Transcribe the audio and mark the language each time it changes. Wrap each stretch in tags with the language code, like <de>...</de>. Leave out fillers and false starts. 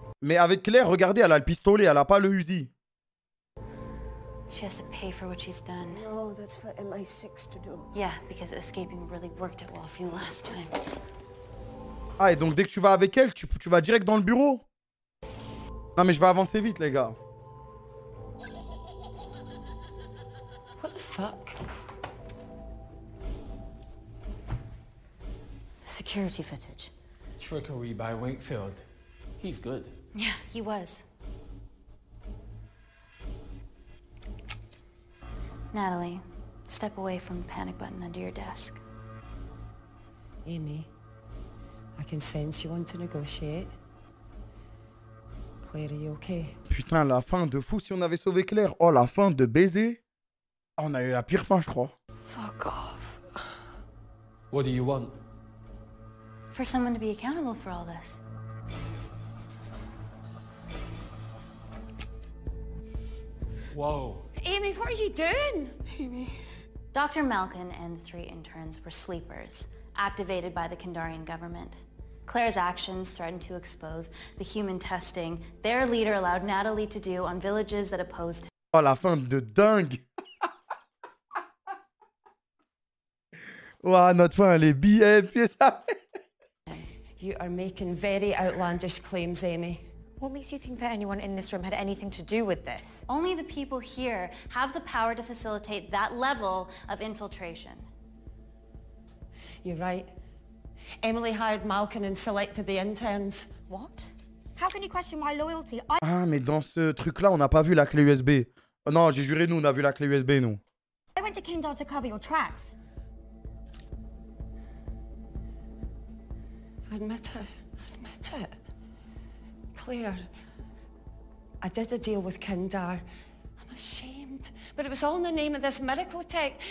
<fr>Mais avec Claire, regardez, elle a le pistolet, elle a pas le Uzi.</fr> <en>She has to pay for what she's done. No, that's for MI6 to do. Yeah, because escaping really worked it well for you last time.</en> <fr>Ah, et donc dès que tu vas avec elle, tu vas direct dans le bureau. Non, mais je vais avancer vite, les gars.</fr> <en>What the fuck? Security footage. Trickery by Wakefield. He's good. Yeah, he was. Natalie, step away from the panic button under your desk. Amy, I can sense you want to negotiate. Claire, are you okay?</en> <fr>Putain, la fin de fou, si on avait sauvé Claire. Oh, la fin de baiser. On a eu la pire fin, je crois.</fr> <en>Fuck off. What do you want? For someone to be accountable for all this. Whoa. Amy, what are you doing? Amy. Dr. Malkin and the three interns were sleepers, activated by the Kandarian government. Claire's actions threatened to expose the human testing their leader allowed Natalie to do on villages that opposed</en> <fr>him. Oh, la fin de dingue. Wow, notre fin, elle est bien, puis ça.</fr> <en>You are making very outlandish claims, Amy. What makes you think that anyone in this room had anything to do with this? Only the people here have the power to facilitate that level of infiltration. You're right. Emily hired Malkin and selected the interns. What? How can you question my loyalty?</en> <fr>Ah, mais dans ce truc-là, on n'a pas vu la clé USB. Oh, non, j'ai juré, nous, on a vu la clé USB, nous.</fr> <en>I went to Kindle to cover your tracks. Admit it. Claire, I did a deal with Kindar. I'm ashamed, but it was all in the name of this medical tech.</en>